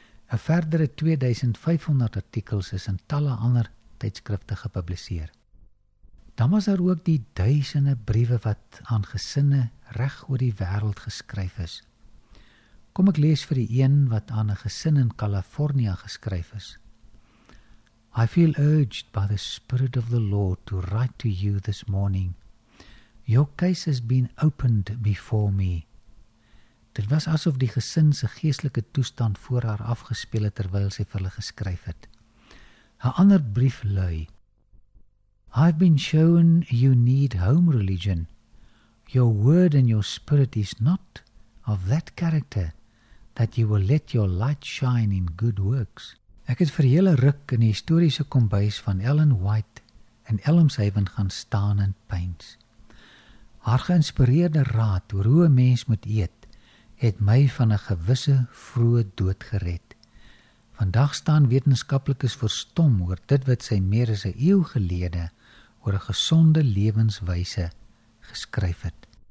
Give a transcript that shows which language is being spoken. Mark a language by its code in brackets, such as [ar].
[af] 'N verdere 2500 artikels is in talle ander tydskrifte gepubliseer. Dan was daar ook die duisende briewe wat aan gesinne reg oor die wêreld geskryf is. Kom ek lees vir die een wat aan 'n gesin in Kalifornië geskryf is. [en] I feel urged by the Spirit of the Lord to write to you this morning. Your case has been opened before me. [af] Dit was asof die gesin se geestelike toestand voor haar afgespeel het terwyl sy vir hulle geskryf het. 'N ander brief lui: [en] I've been shown you need home religion. Your word and your spirit is not of that character that you will let your light shine in good works. [af] Ek het vir hele ruk in die historiese kombuis van Ellen White in Elmshaven gaan staan en peins. Haar geïnspireerde raad oor hoe een mens moet eet, het my van 'n gewisse vroeë dood gered. Vandag staan wetenskaplikes verstom oor dit wat sy meer as 'n eeuw gelede oor 'n gesonde lewenswyse geskryf het.